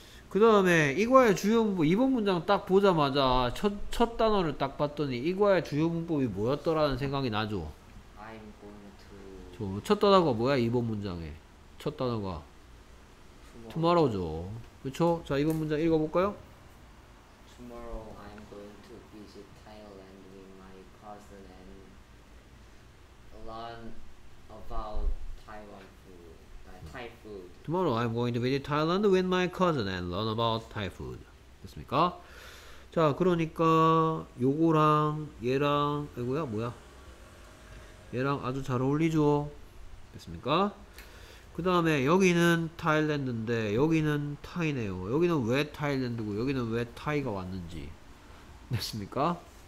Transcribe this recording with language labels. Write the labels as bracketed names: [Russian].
[Korean] 그 다음에 이과의 주요 문법, 이번 문장 딱 보자마자 첫 단어를 딱 봤더니 이과의 주요 문법이 뭐였더라는 생각이 나죠. [English] I'm going [Korean] 저첫 단어가 뭐야? 이번 문장에 첫 단어가 투마로우죠. 그쵸? 자, 이번 문장 읽어볼까요? [English] Tomorrow I'm going to visit Thailand with my cousin and learn about Taiwan food, Thai food. Tomorrow I'm going to visit Thailand with my cousin and learn about Thai food. [Korean] 됐습니까? 자, 그러니까 요거랑 얘랑 아이고야 뭐야? 얘랑 아주 잘 어울리죠. 됐습니까? 그 다음에 여기는 타일랜드인데 여기는 타이네요. 여기는 왜 타일랜드고 여기는 왜 타이가 왔는지. 됐습니까?